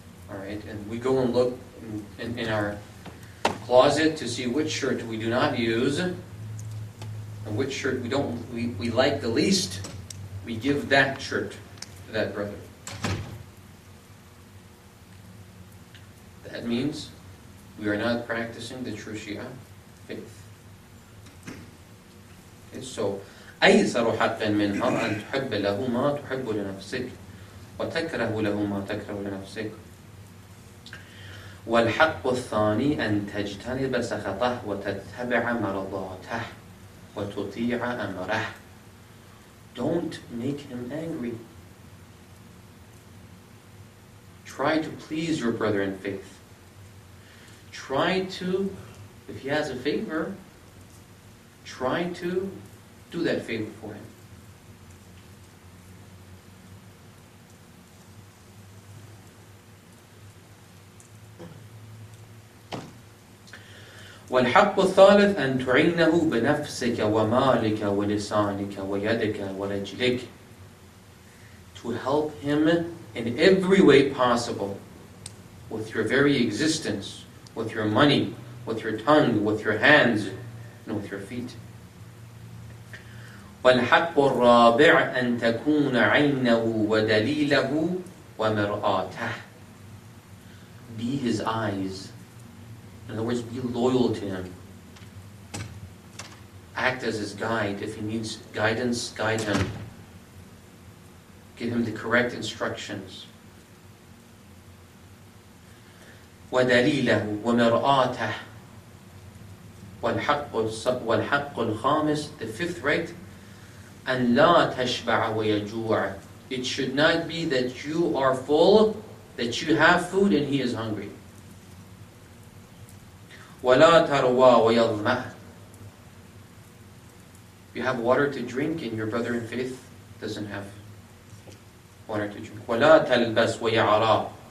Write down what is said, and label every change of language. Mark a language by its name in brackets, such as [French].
[English] All right, and we go and look in our closet to see which shirt we do not use and which shirt we like the least. We give that shirt to that brother. That means we are not practicing the true Shia faith. Okay, so [Arabic] أيسر حقا منها أن تحب له ما تحب لنفسك وتكره له ما تكره لنفسك والحق الثاني أن تجتنب سخطه وتتبع مرضاته وتطيع أمره. [English] Don't make him angry. Try to please your brother in faith. Try to, if he has a favor, try to do that favor for him. [Arabic] والحق الثالث أن تعينه بنفسك ومالك ولسانك ويدك ورجلك. [English] To help him in every way possible, with your very existence, with your money, with your tongue, with your hands, and with your feet. [Arabic] والحق الرابع أن تكون عينه ودليله ومرآته. [English] Be his eyes. In other words, be loyal to him. Act as his guide. If he needs guidance, guide him. Give him the correct instructions. [Arabic] ودليله ومرآته. والحق الخامس, [English] the fifth right, [Arabic] أن لا تشبع ويجوع. [English] It should not be that you are full, that you have food and he is hungry. [Arabic] ولا تروى ويظمأ. [English] You have water to drink and your brother in faith doesn't have water to drink. [Arabic] ولا تلبس ويعرى.